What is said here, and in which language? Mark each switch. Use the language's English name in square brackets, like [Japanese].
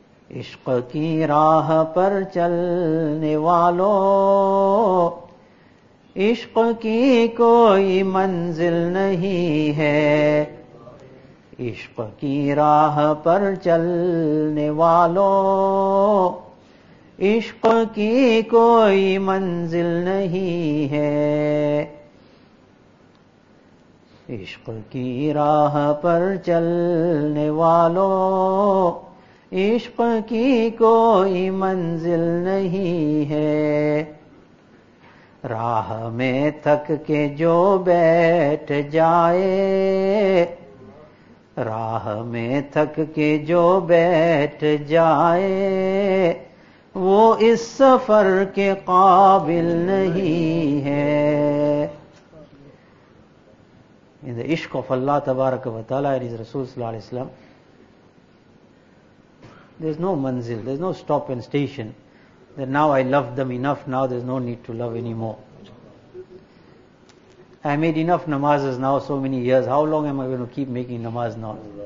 [Urdu] Ishq ki raah par chalne walo Ishq ki koi manzil nahi hai عشق کی راہ پر چلنے والوں عشق کی کوئی منزل نہیں ہے عشق کی راہ پر چلنے والو, عشق کی کوئی منزل نہیں ہے, راہ میں تھک کے جو بیٹھ جائے, راہ میں تھک کے جو بیٹھ جائے وہ اس سفر کے قابل نہیں ہے. [English] In the ishq of Allah tabaraka wa ta'ala and his Rasul sallallahu alayhi wa sallam, there's no manzil, there's no stop and station, that now I loved them enough, now there's no need to love anymore. I made enough namazes now, so many years, how long am I going to keep making namaz now?